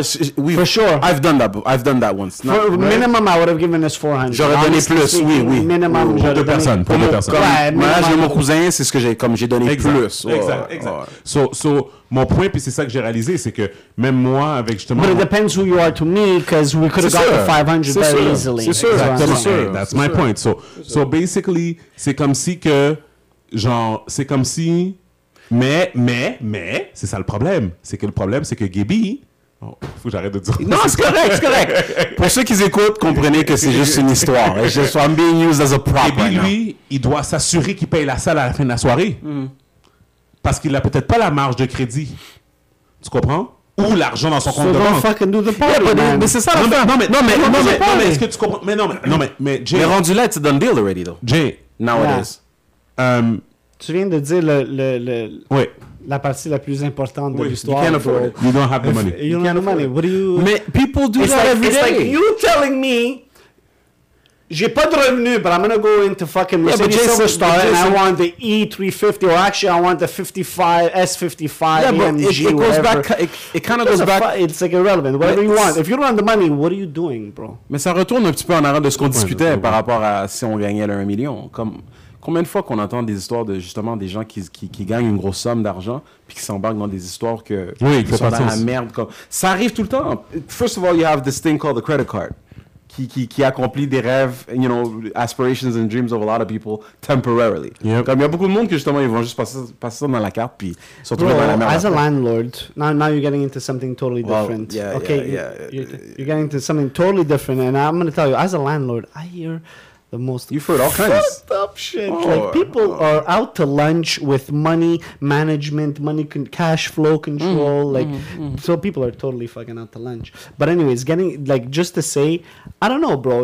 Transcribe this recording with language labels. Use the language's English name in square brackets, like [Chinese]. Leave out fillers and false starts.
[English] For sure. I've done that once. No, right. Minimum, I would have given us 400. [French] J'aurais donné plus, oui, oui. [English] Minimum. [French] Pour deux personnes. Pour deux personnes. Moi, j'ai mon cousin, c'est ce que j'ai, comme j'ai donné plus. Exact, exact. So, mon point, puis c'est ça que j'ai réalisé, c'est que même moi, avec justement... [English] But it depends who you are to me, because we could have got the 500 very easily. [French] C'est sûr. [English] That's my point. So, basically, [French] c'est comme si que... Genre, c'est comme si... Mais, c'est ça le problème. C'est que le problème, c'est que Gaby... Oh, faut que j'arrête de dire... Non, c'est correct, c'est correct. Pour ceux qui écoutent, comprenez que c'est juste une histoire. Et je suis [English] being used as a prop. [French] Gaby, right, lui, il doit s'assurer qu'il paye la salle à la fin de la soirée. Parce qu'il n'a peut-être pas la marge de crédit. Tu comprends? Ou l'argent dans son compte de banque. [English] Fucking do the party, yeah, [French] mais c'est ça, non, mais, non, mais, est-ce que tu comprends? Mais non, mais... Jay, mais rendu là, [English] it's a done deal already, though. Jay, now it is. [French] Tu viens de dire le la partie la plus importante de l'histoire. [English] You can't afford it. You don't have the money. You don't have money. What do you... Mais people do it's that like, day. It's like you telling me, [French] j'ai pas de revenu, [English] but I'm going to go into fucking Mercedes Silver Star and I want the E350, or actually I want the 55, S55, yeah, EMG, but it goes back. It kind of goes back. It's like irrelevant. Whatever you want. If you don't have the money, what are you doing, bro? [French] Mais ça retourne un petit peu en arrière de ce qu'on discutait par rapport à si on gagnait le 1 million. Comme... Combien de fois qu'on entend des histoires de justement des gens qui gagnent une grosse somme d'argent puis qui s'embarquent dans des histoires que ils sont dans la merde, comme ça arrive tout le temps. [English] First of all, you have this thing called the credit card [French] qui accomplit des rêves, [English] you know, aspirations and dreams of a lot of people temporarily. Yep. [French] Comme il y a beaucoup de monde que justement ils vont juste passer ça dans la carte puis surtout dans la merde. [English] As a landlord, now you're getting into something totally different. Well, yeah, okay, you're getting into something totally different, and I'm going to tell you, as a landlord, I hear the most fucked up shit. Like, people are out to lunch with money management, money cash flow control. So people are totally fucking out to lunch. But anyways, getting, like, just to say, I don't know, bro.